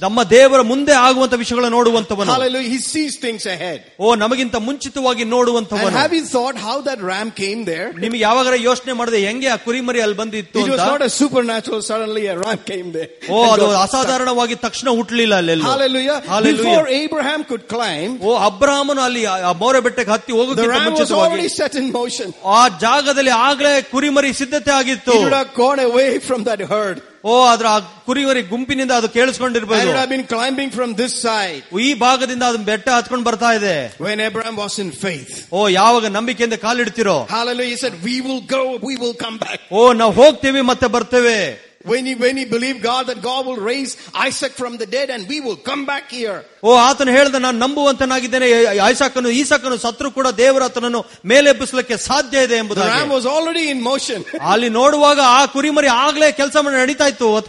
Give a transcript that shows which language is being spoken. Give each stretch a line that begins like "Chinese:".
Kannada: ನಮ್ಮ ದೇವರ ಮುಂದೆ ಆಗುವಂತ ವಿಷಯಗಳನ್ನು ನೋಡುವಂತವನು.
English: Hallelujah. He sees things ahead.
Kannada: ಓ, ನಮಗಿಂತ ಮುಂಚಿತವಾಗಿ ನೋಡುವಂತವನು.
English: And have you thought how that ram came there?
Kannada: ನಿಮಗೆ ಯಾವಾಗ ಯೋಚನೆ ಮಾಡಿದೆ ಹೆಂಗೆ ಆ ಕುರಿಮರಿ ಅಲ್ಲಿ ಬಂದಿತ್ತು?
English: It was not a supernatural, suddenly a ram came there.
Kannada: ಓ, ಅದು ಅಸಾಧಾರಣವಾಗಿ ತಕ್ಷಣ ಹುಟ್ಟಲಿಲ್ಲ ಅಲ್ಲೆಲ್ಲೋ.
English: Hallelujah. Hallelujah. Before Abraham could climb.
Kannada: ಓ, ಅಬ್ರಹಾಮನು ಅಲ್ಲಿ ಆ ಮೋರೆ ಬೆಟ್ಟಕ್ಕೆ ಹತ್ತಿ ಹೋಗೋಕ್ಕಿಂತ ಮುಂಚಿತವಾಗಿ ಆ ಜಾಗದಲ್ಲಿ ಆಗಲೇ ಕುರಿಮರಿ ಸಿದ್ಧತೆ ಆಗಿತ್ತು. ಓ, ಆದ್ರೆ ಆ ಕುರಿಮರಿ ಗುಂಪಿನಿಂದ ಅದು ಕೇಳಿಸಿಕೊಂಡಿರಬಹುದು.
English: I have been climbing from this side.
Kannada: ಈ ಭಾಗದಿಂದ ಅದು ಬೆಟ್ಟ ಹತ್ಕೊಂಡು ಬರ್ತಾ ಇದೆ.
English: When Abraham was in faith.
Kannada: ಓ, ಯಾವಾಗ ನಂಬಿಕೆಯಿಂದ ಕಾಲಿಡ್ತಿರೋ.
English: Hallelujah. He said, we will go, we will come back.
Kannada: ಓ, ನಾವು ಹೋಗ್ತೀವಿ ಮತ್ತೆ ಬರ್ತೇವೆ.
English: When he believed God that God will raise Isaac from the dead and we will come back here.
Kannada: ಓ, ಆತನು ಹೇಳಿದ ನಾನು ನಂಬುವಂತನಾಗಿದ್ದೇನೆ, ಐಸಾಕನು ಈಸಾಕನು ಸತ್ರು ಕೂಡ ದೇವರ ಆತನನ್ನು ಮೇಲೆಬ್ಬಿಸಲಿಕ್ಕೆ ಸಾಧ್ಯ ಇದೆ ಎಂಬುದಾಗಿ.
English: The ram was already in motion.
Kannada: ಅಲ್ಲಿ ನೋಡುವಾಗ ಆ ಕುರಿಮರಿ ಆಗ್ಲೇ ಕೆಲಸ ಮಾಡಿ ನಡೀತಾ ಇತ್ತು.